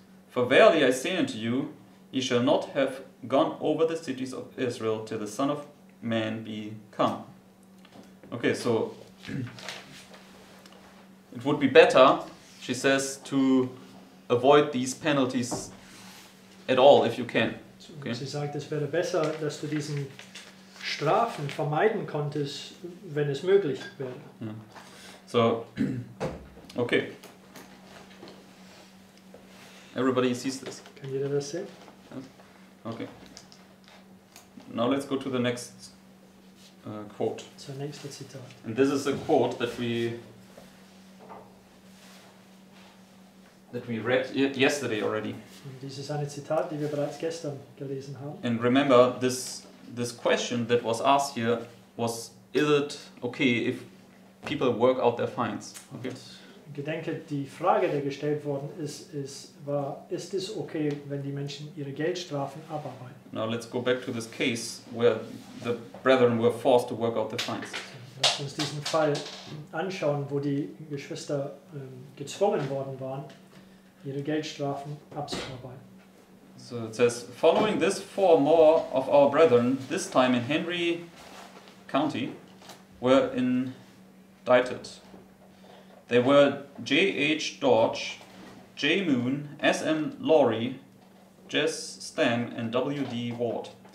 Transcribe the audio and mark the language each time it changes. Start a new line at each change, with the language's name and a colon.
English: For verily I say unto you, ye shall not have gone over the cities of Israel till the Son of Man be come. Okay, so it would be better, she says, to avoid these penalties at all if you can. Okay.
German: Sie sagt, es wäre besser, dass du diesen Strafen vermeiden konntest, wenn es möglich wäre.
English: Yeah. So, okay. Everybody sees this.
German: Kann jeder das sehen?
English: Okay. Now let's go to the next quote.
German: Zur nächsten Zitat.
English: And this is a quote that we read yesterday already.
German: Und dies ist eine Zitat, die wir bereits gestern gelesen haben.
English: And remember, this question that was asked here was, is it okay if people work out their fines? Okay.
German: Gedenke, die Frage, die gestellt worden ist, ist es okay, wenn die Menschen ihre Geldstrafen abarbeiten?
English: Now let's go back to this case where the brethren were forced to work out the fines.
German: Lass uns diesen Fall anschauen, wo die Geschwister gezwungen worden waren, ihre Geldstrafen abzuarbeiten.
English: So it says, following this, four more of our brethren, this time in Henry County, were indicted. They were J. H. Dodge, J. Moon, S. M. Laurie, Jess Stam, and W. D. Ward.